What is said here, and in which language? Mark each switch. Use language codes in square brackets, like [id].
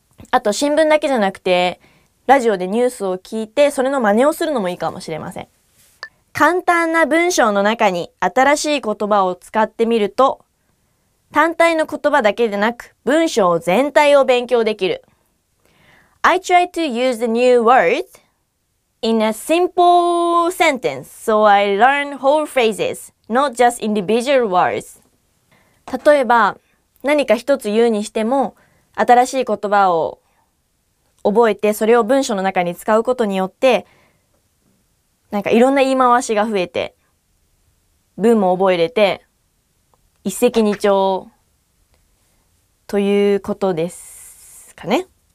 [ja] あと新聞だけじゃなくて、ラジオでニュースを聞いてそれの真似をするのもいいかもしれません。簡単な文章の中に新しい言葉を使ってみると、単体の言葉だけでなく文章全体を勉強できる。 [en] I try to use the new word in a simple sentence, so I learn whole phrases, not just individual words. [ja] 例えば、何か一つ言うにしても、新しい言葉を覚えてそれを文章の中に使うことによって、なんかいろんな言い回しが増えて、文も覚えれて、一石二鳥、ということですかね。